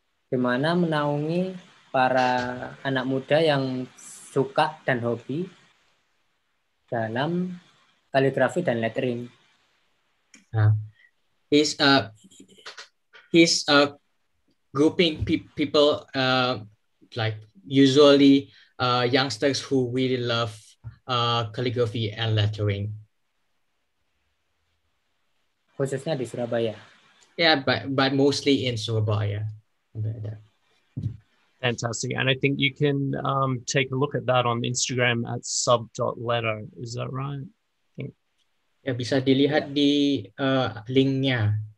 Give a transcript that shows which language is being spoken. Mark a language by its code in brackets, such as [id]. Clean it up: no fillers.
[id] Gimana menaungi para anak muda yang suka dan hobi dalam kaligrafi dan lettering. [en] He's grouping people like usually youngsters who really love calligraphy and lettering. [id] Khususnya di Surabaya. [en] Yeah, but mostly in Surabaya. Fantastic. And I think you can take a look at that on Instagram at sub.letter. Is that right? [id] Ya bisa dilihat di linknya